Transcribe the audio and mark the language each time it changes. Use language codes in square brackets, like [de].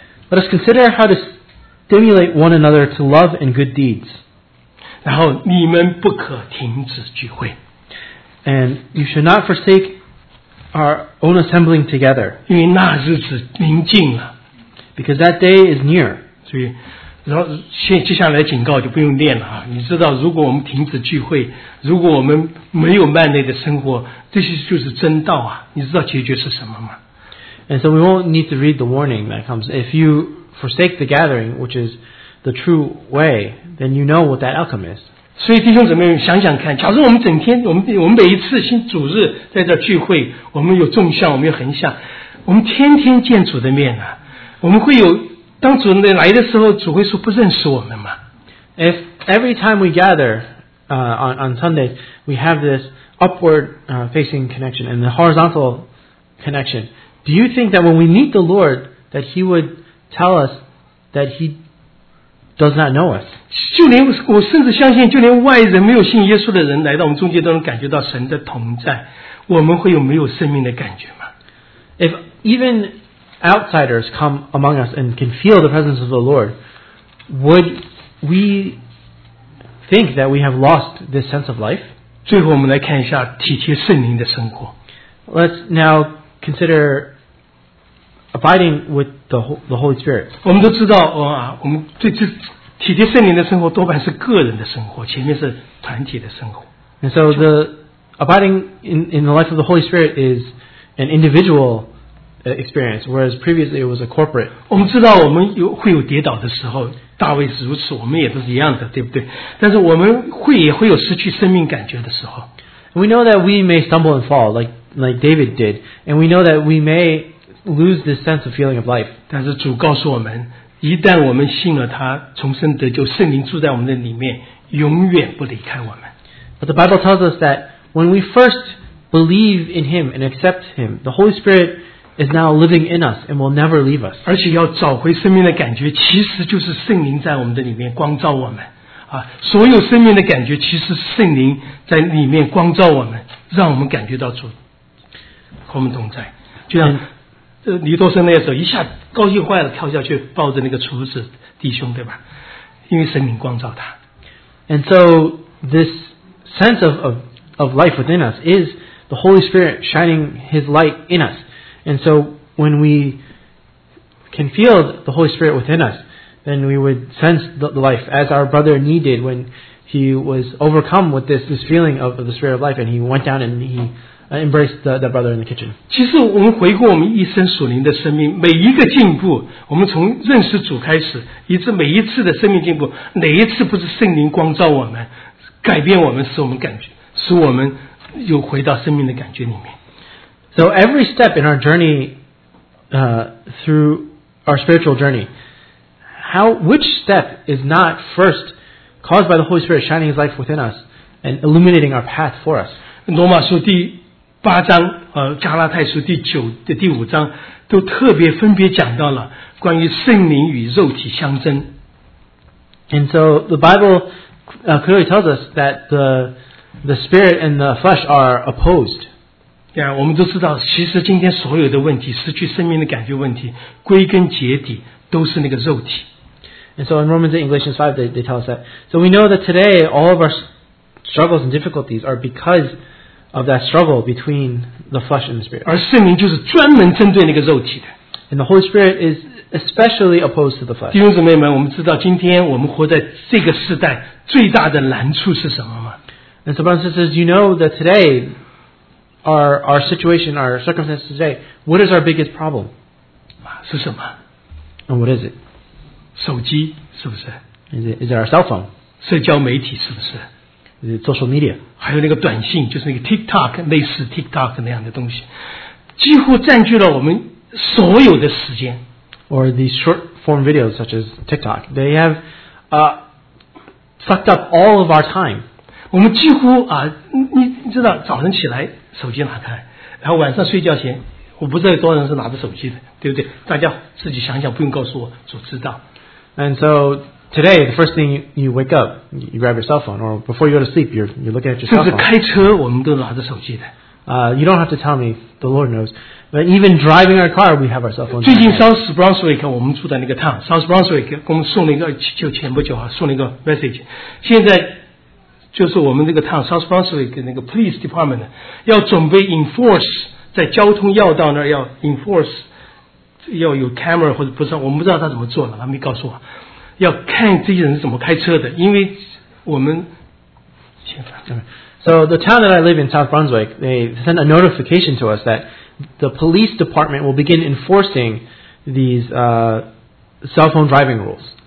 [en] Let us consider how to stimulate one another to love and good deeds. [zh] 然后你们不可停止聚会。 [en] And you should not forsake. Our own assembling together. [zh] 因为那日子临近了 [en] Because that day is near. [zh] 所以然后接下来警告就不用念了、啊、你知道如果我们停止聚会如果我们没有幔内的生活这些就是真道啊你知道结局是什么吗 [en] And so we won't need to read the warning that comes. If you forsake the gathering, which is the true way, then you know what that outcome is. [zh] 所以弟兄姊妹们想想看假如我们整天我们每一次新主日在这聚会我们有纵向我们有横向我们天天见主的面啊我们会有当主人来的时候主会说不认识我们吗 [en] If every time we gather, on Sunday, we have this upward, facing connection and the horizontal connection, do you think that when we meet the Lord, that he would tell us that he does not know us? [zh] 就连我甚至相信就连外人没有信耶稣的人来到我们中间都能感觉到神的同在我们会有没有生命的感觉吗 [en] If even outsiders come among us and can feel the presence of the Lord, would we think that we have lost this sense of life? [zh] 最后我们来看一下体贴圣灵的生活 [en] Let's now consider abiding with the Holy Spirit. [zh] 我们都知道，我们最最体贴圣灵的生活多半是个人的生活，前面是团体的生活。 [en] And so the abiding in the life of the Holy Spirit is an individual experience, whereas previously it was a corporate. [zh] 我们知道我们有会有跌倒的时候，大卫是如此，我们也都是一样的，对不对？但是我们会也会有失去生命感觉的时候。 [en] We know that we may stumble and fall like David did, and we know that we may lose this sense of feeling of life. [zh] 但是主告诉我们，一旦我们信了他，重生得救，圣灵住在我们的里面，永远不离开我们。 [en] But the Bible tells us that when we first believe in Him and accept Him, the Holy Spirit is now living in us and will never leave us. [zh] 而且要找回生命的感觉，其实就是圣灵在我们的里面光照我们。所有生命的感觉其实是圣灵在里面光照我们，让我们感觉到主和我们同在。就像尼多生那时候一下高兴坏了，跳下去抱着那个厨子弟兄，对吧？因为圣灵光照他。 [en] And so this sense of life within us is the Holy Spirit shining His light in us. And so when we can feel the Holy Spirit within us,then we would sense the life as our brother needed when he was overcome with this feeling of the spirit of life and he went down and he embraced the brother in the kitchen. [zh] 其实我们回顾我们一生属灵的生命，每一个进步，我们从认识主开始，以致每一次的生命进步，哪一次不是圣灵光照我们，改变我们，使我们感觉，使我们又回到生命的感觉里面。 [en] So every step in our journey, through our spiritual journey,which step is not first caused by the Holy Spirit shining His life within us and illuminating our path for us? [zh] 罗马书第八章，加拉太书第九的第五章都特别分别讲到了关于圣灵与肉体相争。 [en] And so the Bible clearly tells us that the spirit and the flesh are opposed. [zh] Yeah, 我们都知道，其实今天所有的问题，失去生命的感觉问题，归根结底都是那个肉体。 [en] And so in Romans 8 and Galatians 5, they tell us that. So we know that today, all of our struggles and difficulties are because of that struggle between the flesh and the spirit. [zh] 而圣灵就是专门针对那个肉体的。 [en] And the Holy Spirit is especially opposed to the flesh. [zh] 弟兄姊妹们，我们知道今天我们活在这个时代最大的难处是什么吗？ [en] And so brothers and sisters, you know that today, our situation, our circumstances today, what is our biggest problem? [zh] 是什么？ [en] And what is it? [zh] 手机是不是 [en] is it our cell phone? [zh] 社交媒体是不是 [en] is it social media? [zh] 还有那个短信，就是那个 TikTok, 类似 TikTok 那样的东西，几乎占据了我们所有的时间。 [en] Or these short form videos such as TikTok, they have sucked up all of our time. [zh] 我们几乎你知道早上起来手机拿开，然后晚上睡觉前，我不知道多少人是拿着手机的，对不对？大家自己想想，不用告诉我，主知道。 [en] And so today, the first thing you wake up, you grab your cell phone, or before you go to sleep, you look at your cell phone. [zh] 甚至开车，我们都拿着手机的。 [en] You don't have to tell me, the Lord knows. But even driving our car, we have our cell phone. [zh] 最近 South Brunswick, 我们住在那个 town, South Brunswick 给我们送了一个，就前不久送了一个 message. 现在就是我们那个 town, South Brunswick 那个 police department 要准备 enforce 在交通要道那儿要 enforce。要有 camera 或者不是，我们不知道他怎么做了，他没告诉我。要看这些人是怎么开车的，因为我们。 [en] So the town that I live in, South Brunswick, they sent a notification to us that the police department will begin enforcing these cell phone driving rules.